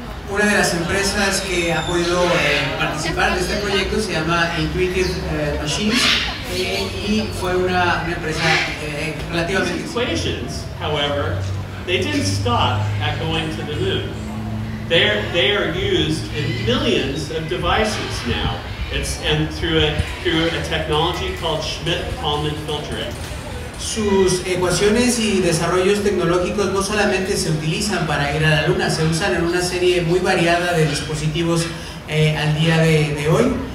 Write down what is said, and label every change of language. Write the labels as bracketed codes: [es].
[es] Una de las empresas que ha podido participar de este proyecto se llama Intuitive Machines. [en] These equations, however, they didn't stop at going to the moon. They are used in millions of devices now. Through a technology called Schmidt-Kallmann filtering. [es] Sus ecuaciones y desarrollos tecnológicos no solamente se utilizan para ir a la luna, se usan en una serie muy variada de dispositivos al día de hoy.